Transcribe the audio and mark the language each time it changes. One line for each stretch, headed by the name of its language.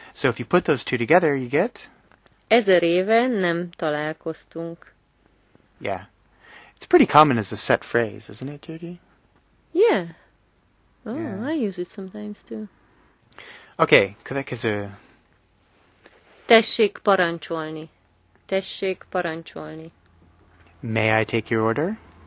English: So, if you put those two together, you get?
Hungarian: Ezer éve nem találkoztunk.
English: Yeah. It's pretty common as a set phrase, isn't it, Judy? Yeah. Oh, yeah. I use it sometimes, too.
Hungarian: Okay, következő. Tessék parancsolni. Tessék parancsolni.
English: May I take your order?